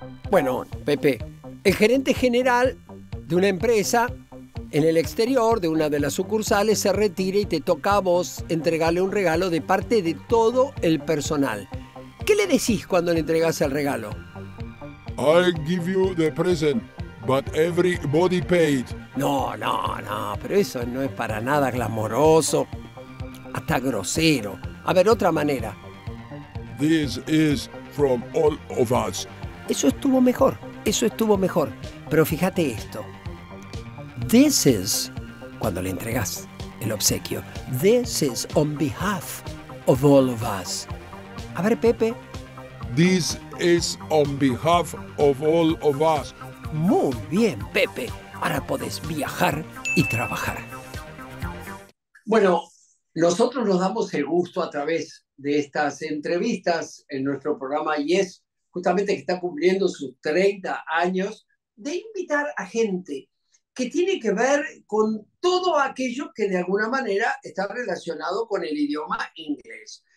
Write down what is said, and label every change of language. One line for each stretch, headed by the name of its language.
Spanish: Bueno, Pepe, el gerente general de una empresa en el exterior de una de las sucursales se retira y te toca a vos entregarle un regalo de parte de todo el personal. ¿Qué le decís cuando le entregas el regalo?
English: I'll give you the present, but everybody paid.
Spanish: No, no, no, pero eso no es para nada glamoroso, hasta grosero. A ver, otra manera.
English: This is from all of us.
Spanish: Eso estuvo mejor, eso estuvo mejor. Pero fíjate esto. This is, cuando le entregas el obsequio,
English: this is on behalf of all of us.
Spanish: A ver, Pepe.
English: This is on behalf of all of us.
Spanish: Muy bien, Pepe. Ahora podés viajar y trabajar. Bueno, nosotros nos damos el gusto a través de estas entrevistas en nuestro programa Yes, justamente que está cumpliendo sus 30 años, de invitar a gente que tiene que ver con todo aquello que de alguna manera está relacionado con el idioma inglés.